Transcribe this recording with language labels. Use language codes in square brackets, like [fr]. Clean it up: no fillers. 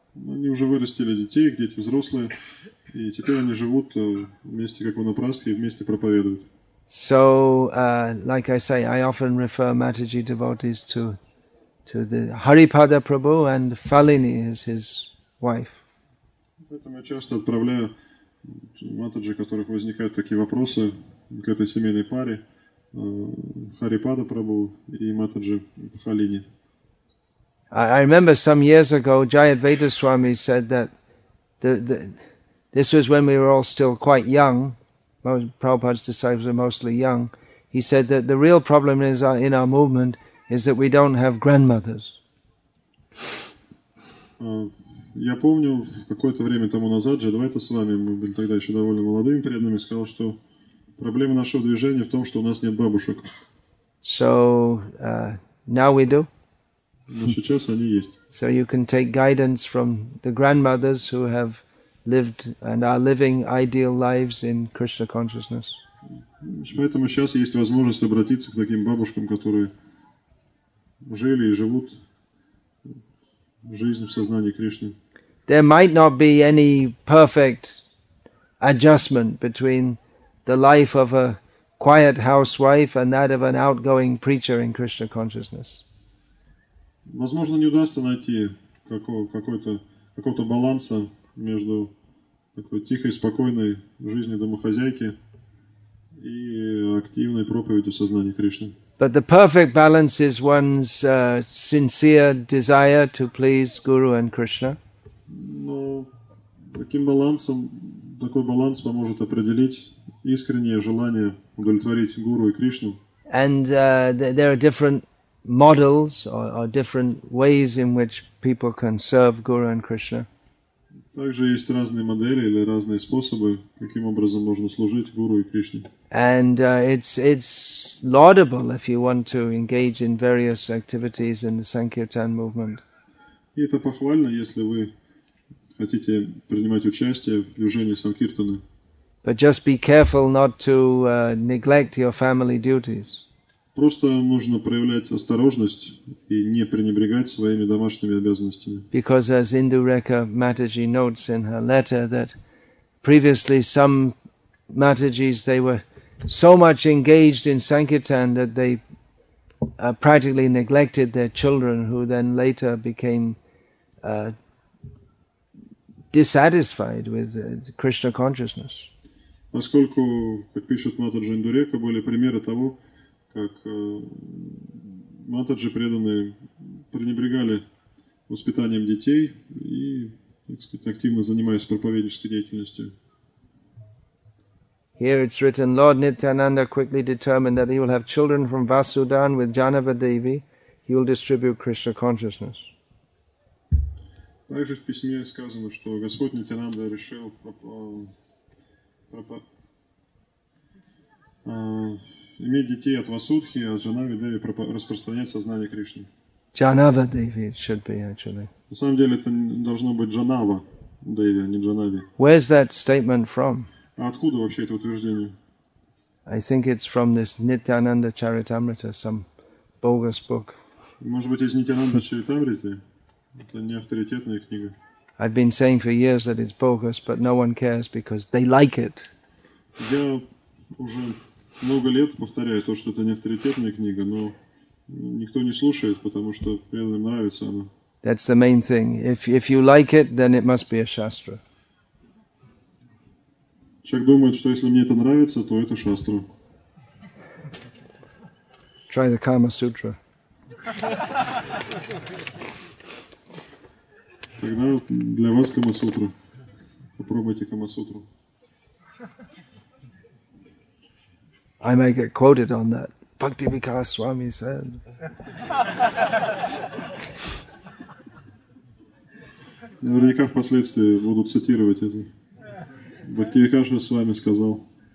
[ru] Они уже вырастили детей, дети взрослые, и теперь они живут вместе как ванапрасты и вместе проповедуют. [en] So, like I say, I often refer Mataji devotees to the Haripada Prabhu, and Falini is his wife. [ru] Поэтому я часто отправляю Матаджи, у которых возникают такие вопросы, к этой семейной паре, Харипада Прабху и Матаджи Халини. [en] I remember some years ago, Jayadvaita Swami said that this was when we were all still quite young. Prabhupada's disciples were mostly young. He said that the real problem is in our movement is that we don't have grandmothers. [ru] Я помню, в какое-то время тому назад, Джадвайта с вами, мы были тогда еще довольно молодыми преданными, сказал, что проблема нашего движения в том, что у нас нет бабушек. [en] So, now we do. [ru] Но сейчас они есть. [en] So you can take guidance from the grandmothers who have lived and are living ideal lives in Krishna consciousness. [ru] Поэтому сейчас есть возможность обратиться к таким бабушкам, которые жили и живут жизнь в сознании Кришны. [en] There might not be any perfect adjustment between the life of a quiet housewife and that of an outgoing preacher in Krishna consciousness. [ru] Возможно, не удастся найти какого-то баланса между такой тихой, спокойной жизнью домохозяйки и активной проповедью сознания Кришны. [en] But the perfect balance is one's sincere desire to please Guru and Krishna. [ru] Но таким балансом, такой баланс поможет определить искреннее желание удовлетворить Гуру и Кришну. [en] And there are different models or different ways in which people can serve Guru and Krishna. [ru] Также есть разные модели или разные способы, каким образом можно служить Гуру и Кришне. [en] And it's laudable if you want to engage in various activities in the Sankirtan movement. [ru] И это похвально, если вы хотите принимать участие в движении Санкиртаны. [en] But just be careful not to neglect your family duties. [ru] Просто нужно проявлять осторожность и не пренебрегать своими домашними обязанностями. [en] Because as Indureka Mataji notes in her letter that previously some Matajis, they were so much engaged in Sankirtan that they practically neglected their children, who then later became dissatisfied with Krishna consciousness. [ru] Поскольку, как пишет Матаджи Индурека, были примеры того, как матаджи преданные пренебрегали воспитанием детей и, так сказать, активно занимаясь проповеднической деятельностью. [en] Here it's written, Lord Nityananda quickly determined that he will have children from Vasudan with Janava Devi. He will distribute Krishna consciousness. [ru] Также в письме сказано, что Господь Нитянанда решил проповедовать иметь детей от Васудхи, от Джанавадеви, распространять сознание Кришны. [en] Джанавадеви should be actually. [ru] На самом деле это должно быть Джанава Деви, а не Джанави. [en] Where's that statement from? [ru] А откуда вообще это утверждение? [en] I think it's from this Nityananda Charitamrita, some bogus book. [ru] Может быть, из Нитянанда Чаритамриты? Это не авторитетная книга. [en] I've been saying for years that it's bogus, but no one cares because they like it. [ru] Я уже много лет повторяю то, что это не авторитетная книга, но никто не слушает, потому что преданным нравится она. [en] That's the main thing. If you like it, then it must be a shastra. [ru] Человек думает, что если мне это нравится, то это шастра. [en] Try the Kama Sutra. [ru] Тогда для вас Кама Сутра. Попробуйте Кама Сутру. [en] I may get quoted on that. Bhakti Vikas Swami said. [ru] Наверняка впоследствии будут цитировать это. Бхакти Викаша с вами сказал.